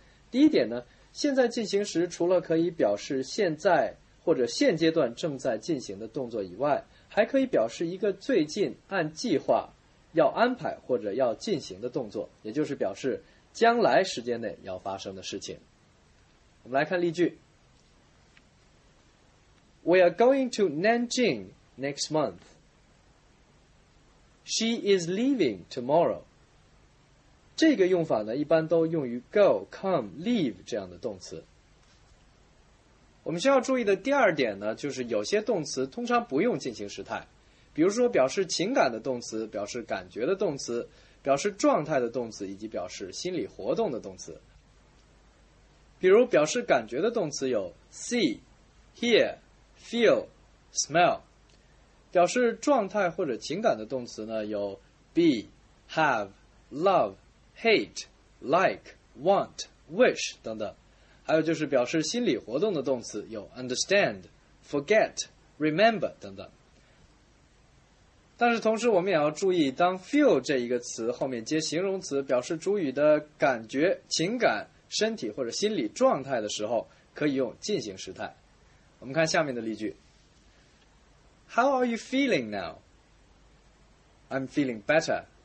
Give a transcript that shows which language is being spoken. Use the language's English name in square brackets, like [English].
[Chinese] 第一点呢，现在进行时除了可以表示现在或者现阶段正在进行的动作以外，还可以表示一个最近按计划要安排或者要进行的动作，也就是表示将来时间内要发生的事情。我们来看例句。 [English] We are going to Nanjing next month. She is leaving tomorrow. [Chinese] 这个用法呢，一般都用于 go, come, leave 这样的动词。我们需要注意的第二点呢，就是有些动词通常不用进行时态，比如说表示情感的动词、表示感觉的动词、表示状态的动词以及表示心理活动的动词。比如表示感觉的动词有 see, hear, feel, smell， 表示状态或者情感的动词呢有 be, have, love, hate, like, want, wish 等等。还有就是表示心理活动的动词有 understand, forget, remember 等等。但是同时我们也要注意，当 feel 这一个词后面接形容词，表示主语的感觉、情感、身体或者心理状态的时候，可以用进行时态。我们看下面的例句。 [English] How are you feeling now? I'm feeling better.